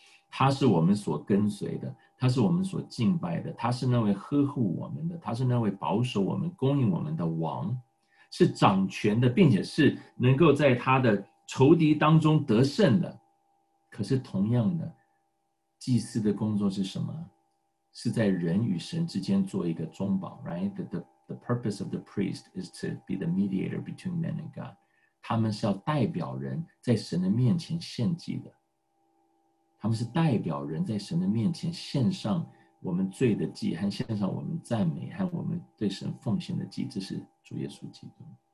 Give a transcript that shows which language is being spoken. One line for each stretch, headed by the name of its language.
Chinese: 他是我们所跟随的，他是我们所敬拜的，他是那位呵护我们的，他是那位保守我们供应我们的王，是掌权的，并且是能够在他的仇敌当中得胜的。可是同样的，祭司的工作是什么？是在人与神之间做一个中保， right?
English: The purpose of the priest is to be the mediator between man and God.
Chinese: 他们是要代表人在神的面前献祭的，他们是代表人在神的面前献上我们罪的祭，和献上我们赞美和我们对神奉献的祭，这是主耶稣基督。